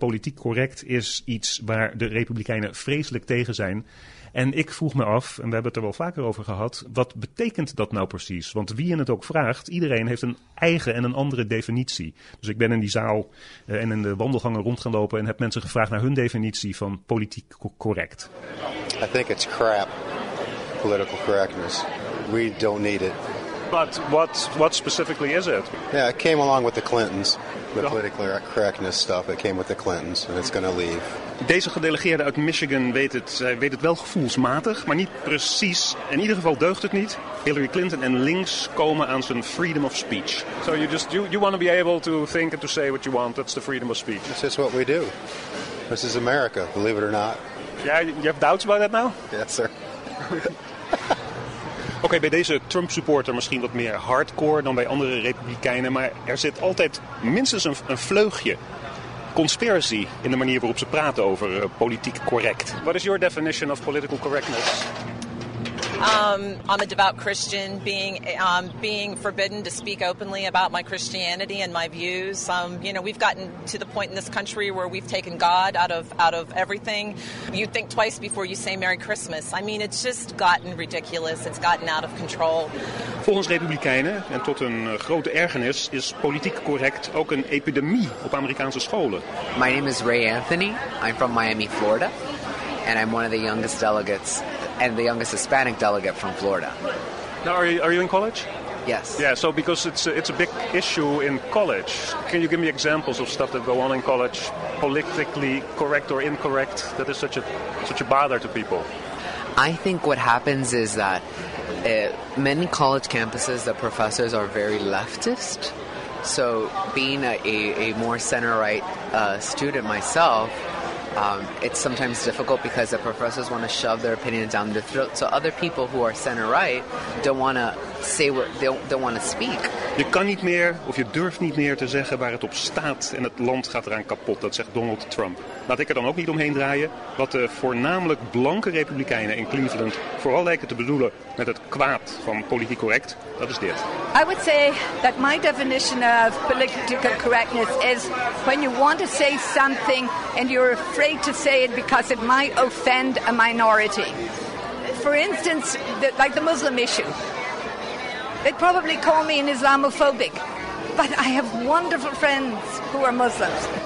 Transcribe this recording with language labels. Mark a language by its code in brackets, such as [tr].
[nl] Politiek correct is iets waar de republikeinen vreselijk tegen zijn. En ik vroeg me af, en we hebben het er wel vaker over gehad, wat betekent dat nou precies? Want wie je het ook vraagt, iedereen heeft een eigen en een andere definitie. Dus ik ben in die zaal en in de wandelgangen rond gaan lopen en heb mensen gevraagd naar hun definitie van politiek correct. [en] I think it's crap, political correctness. We don't need it. But what specifically is it? Yeah, it came along with the Clintons. The political correctness stuff, it came with the Clintons and it's going to leave. [nl] Deze gedelegeerde uit Michigan weet het wel gevoelsmatig, maar niet precies. In ieder geval deugt het niet. Hillary Clinton en links komen aan zijn freedom of speech. [en] So you want to be able to think and to say what you want. That's the freedom of speech. This is what we do. This is America, believe it or not. Yeah, you have doubts about that now? Yes, sir. [nl] Oké, bij deze Trump-supporter misschien wat meer hardcore dan bij andere republikeinen, maar er zit altijd minstens een vleugje conspiracy in de manier waarop ze praten over politiek correct. [en] What is your definition of political correctness? I'm a devout Christian, being forbidden to speak openly about my Christianity and my views. You know, we've gotten to the point in this country where we've taken God out of everything. You think twice before you say Merry Christmas. I mean, it's just gotten ridiculous. It's gotten out of control. [nl] Volgens Republikeinen, en tot een grote ergernis, is politiek correct ook een epidemie op Amerikaanse scholen. [en] My name is Ray Anthony. I'm from Miami, Florida. And I'm one of the youngest delegates and the youngest Hispanic delegate from Florida. Now, are you in college? Yes. Yeah, so because it's a big issue in college. Can you give me examples of stuff that go on in college, politically correct or incorrect, that is such a bother to people? I think what happens is that many college campuses, the professors are very leftist. So being a more center-right student myself, it's sometimes difficult because the professors want to shove their opinions down their throat. So other people who are center-right don't want to say what they don't want to speak. [nl] Je kan niet meer of je durft niet meer te zeggen waar het op staat en het land gaat eraan kapot. Dat zegt Donald Trump. Laat ik er dan ook niet omheen draaien wat de voornamelijk blanke republikeinen in Cleveland vooral lijken te bedoelen met het kwaad van politiek correct. Dat is dit. [en] I would say that my definition of political correctness is when you want to say something and you're afraid to say it because it might offend a minority. For instance, like the Muslim issue. They'd probably call me an Islamophobic, but I have wonderful friends who are Muslims.